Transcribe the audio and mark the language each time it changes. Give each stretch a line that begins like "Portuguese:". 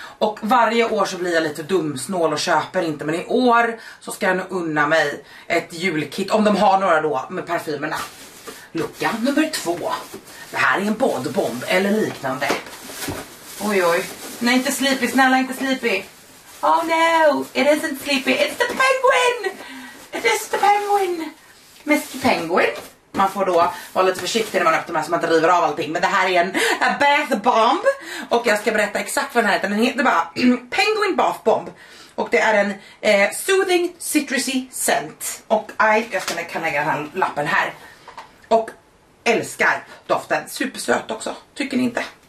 Swedish: Och varje år så blir jag lite dumsnål och köper inte. Men i år så ska jag nu unna mig ett julkit, om de har några då, med parfymerna. Lucka nummer 2. Det här är en badbomb eller liknande. Oj oj. Nej, inte sleepy, snälla inte sleepy.
English: Oh no, it isn't sleepy, it's the penguin! It is the penguin! Mr. Penguin.
Swedish: Man får då vara lite försiktig när man öppnar så man inte river av allting. Men det här är en bath bomb. Och jag ska berätta exakt vad den heter. Den heter bara Penguin Bath Bomb. Och det är en
English: soothing citrusy scent.
Swedish: Och jag kan lägga den här lappen här. Och älskar doften, supersöt också, tycker ni inte?